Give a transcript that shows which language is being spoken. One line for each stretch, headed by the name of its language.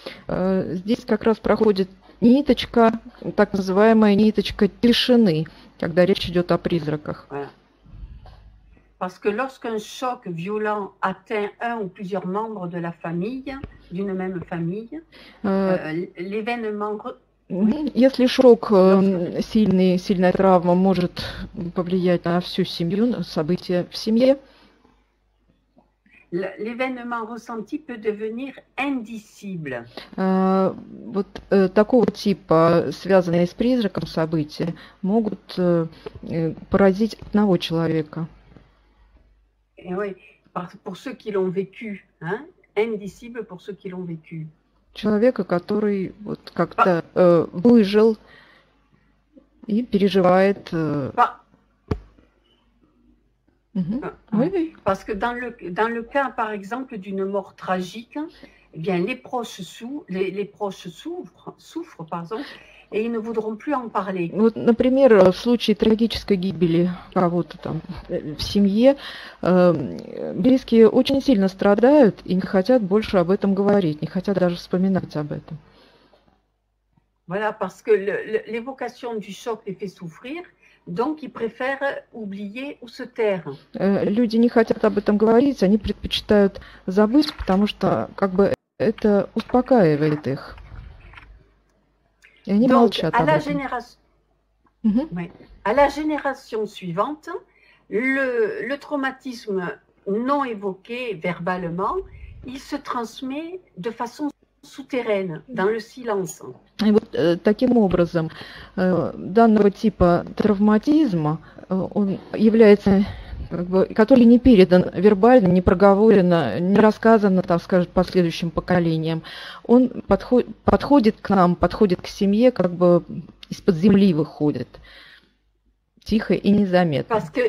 Russian: Здесь как раз проходит ниточка, так называемая ниточка тишины, когда речь идет о призраках.
French: Voilà. Parce que lorsqu'un choc violent atteint un ou plusieurs membres de la famille, d'une même famille, l'événement. Oui.
Russian: Если шок
French: Lorsque.
Russian: сильный, сильная травма может повлиять на всю семью, на события в семье.
French: L'événement ressenti peut devenir indicible.
Russian: Вот такого типа, связанные с призраком события, могут поразить одного человека.
French: Et oui, pour ceux qui l'ont vécu, hein? Indicible pour ceux qui l'ont vécu.
Russian: Человека, который вот как-то выжил и переживает.
French: Oui. Parce que dans le cas, par exemple, d'une mort tragique, eh bien les proches souffrent, pardon, et ils ne voudront plus en parler.
Russian: Вот, например, в случае трагической гибели кого-то там в семье, близкие очень сильно страдают и не хотят больше об этом говорить, не хотят даже вспоминать об этом.
French: Voilà, parce que l'évocation du choc les fait souffrir. Donc, ils préfèrent oublier ou se taire.
Russian: Люди не хотят об этом говорить, они предпочитают забыть, потому что как бы это успокаивает их. И они
French: Donc,
Russian: молчат об этом.
French: à la génération suivante, le traumatisme non évoqué verbalement, il se transmet de façon souterraine, dans le silence.
Russian: И вот таким образом данного типа травматизма он является, как бы, который не передан вербально, не проговорено, не рассказано, так скажем, последующим поколениям. Он подходит к нам, подходит к семье, как бы из-под земли выходит, тихо и незаметно.